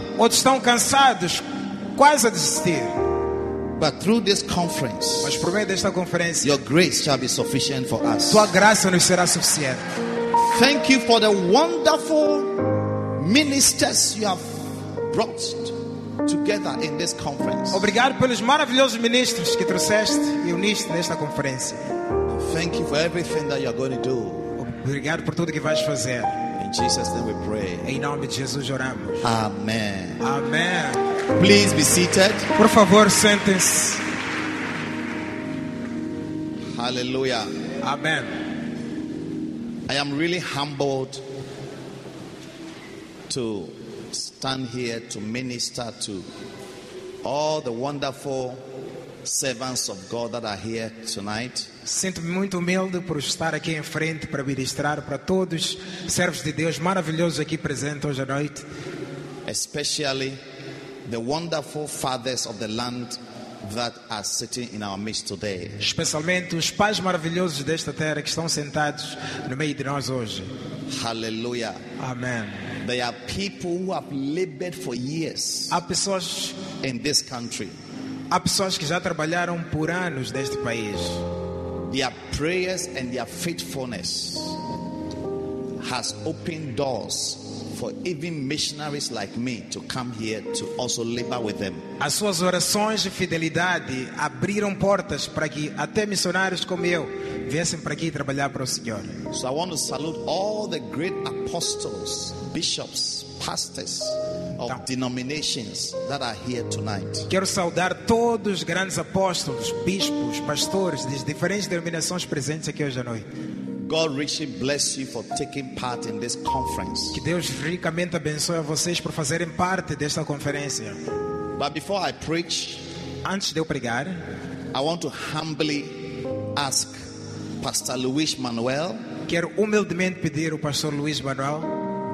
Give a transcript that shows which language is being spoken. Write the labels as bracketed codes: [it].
[pt] Outros estão cansados, quase a desistir. [en] But through this conference, [pt] mas por meio desta conferência, [en] your grace shall be sufficient for us. [pt] Tua graça nos será suficiente. [en] Thank you for the wonderful ministers you have brought together in this conference. [pt] Obrigado pelos maravilhosos ministros que trouxeste e uniste nesta conferência. [en] Thank you for everything that you are going to do. [pt] Obrigado por tudo que vais fazer. [en] In Jesus' name we pray. [pt] Em nome de Jesus oramos. Amen. Amen. [en] Please be seated. [pt] Por favor, sentem-se. Hallelujah. Amen. [en] I am really humbled to stand here to minister to all the wonderful servants of God that are here tonight. [pt] Sinto-me muito humilde por estar aqui em frente para ministrar para todos os servos de Deus maravilhosos aqui presentes hoje à noite. [en] Especially the wonderful fathers of the land that are sitting in our midst today. [pt] Especialmente os pais maravilhosos desta terra que estão sentados no meio de nós hoje. Hallelujah. Amen. [en] There are people who have labored for years. [pt] Há pessoas [en] in this country. [pt] Há pessoas que já trabalharam por anos neste país. [en] Their prayers and their faithfulness has opened doors for even missionaries like me to come here to also labor with them. [pt] As suas orações e fidelidade abriram portas para que até missionários como eu viessem para aqui trabalhar para o Senhor. [en] So I want to salute all the great apostles, bishops, pastors of denominations that are here tonight. [pt] Quero saudar todos os grandes apóstolos, bispos, pastores de diferentes denominações presentes aqui hoje à noite. [en] God richly bless you for taking part in this conference. [pt] Que Deus ricamente abençoe a vocês por fazerem parte desta conferência. [en] But before I preach, [pt] antes de eu pregar, [en] I want to humbly ask Pastor Luis Manuel. [pt] Quero humildemente pedir o Pastor Luis Manuel